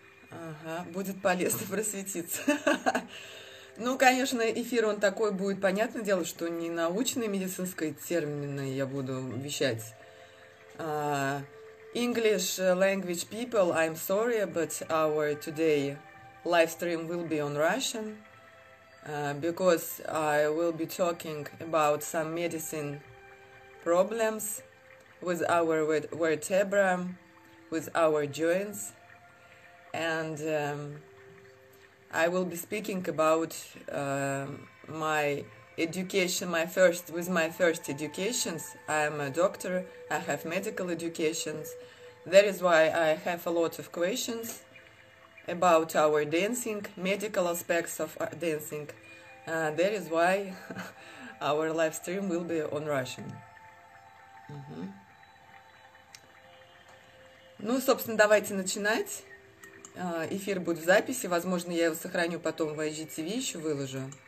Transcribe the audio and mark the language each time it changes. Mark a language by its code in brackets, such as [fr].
[ru] Ага, будет полезно просветиться. Ну, конечно, эфир он такой будет, понятное дело, что не научной медицинской термины я буду вещать. [en] English language people, I'm sorry, but our today live stream will be on Russian, because I will be talking about some medicine problems with our vertebra, with our joints, and I will be speaking about my education, my first educations. I am a doctor, I have medical educations. That is why I have a lot of questions about our dancing, medical aspects of dancing. That is why our live stream will be on Russian. [ru] Ну, собственно, давайте начинать. Эфир будет в записи, возможно, я его сохраню потом в IGTV, еще выложу.